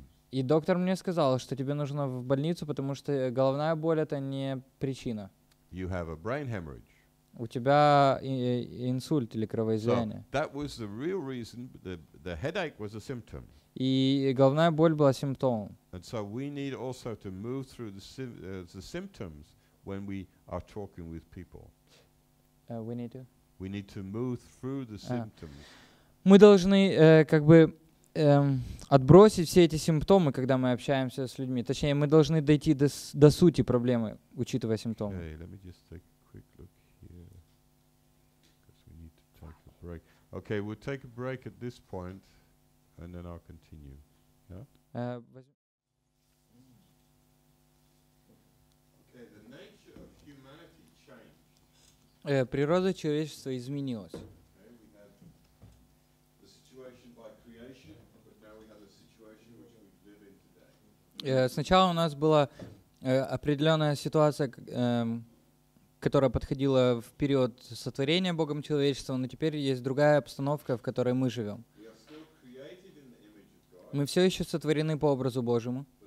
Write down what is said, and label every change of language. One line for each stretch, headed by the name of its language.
Russian: И доктор мне сказал, что тебе нужно в больницу, потому что головная боль — это не причина.
English: You have a brain hemorrhage.
Russian: У тебя инсульт или кровоизлияние.
English: So that was the real reason, the headache was a symptom.
Russian: И головная боль была симптомом.
English: And so we need also to move through the symptoms when we are talking with people. We need to move through the symptoms.
Russian: Мы должны отбросить все эти симптомы, когда мы общаемся с людьми. Точнее, мы должны дойти до сути проблемы, учитывая симптомы.
English: Okay, let me just take a quick look here. Because we need to take a break. Okay, we'll take a break at this point. And then I'll continue. Yeah? Okay, the nature of humanity changed.
Russian: Природа человечества изменилась.
English: Okay, we had the situation by creation, but now we have the situation which we live in today.
Russian: Сначала у нас была определенная ситуация, которая подходила в период сотворения Богом человечества, но теперь есть другая обстановка, в которой мы живем. Мы все еще сотворены по образу Божьему.